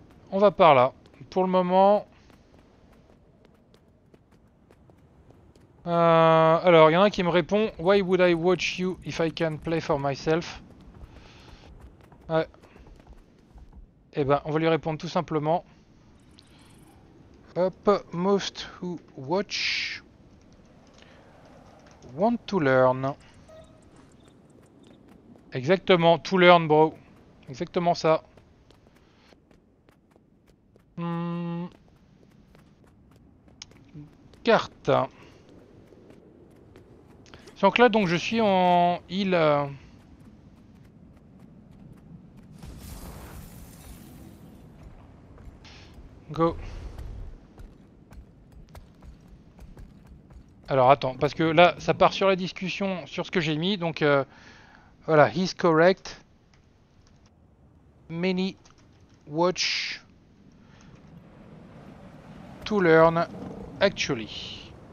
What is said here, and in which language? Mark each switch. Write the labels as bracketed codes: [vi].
[fr] On va par là. Pour le moment. Alors, il y en a un qui me répond, [en] Why would I watch you if I can play for myself? [fr] Ouais. Eh ben, on va lui répondre tout simplement. [en] Hop, most who watch want to learn. [fr] Exactement, [en] to learn, bro. [fr] Exactement ça. Carte. Donc là, donc je suis en île. [en] Go. [fr] Alors attends, parce que là, ça part sur la discussion sur ce que j'ai mis. Donc voilà, [en] he's correct. Many watch to learn actually.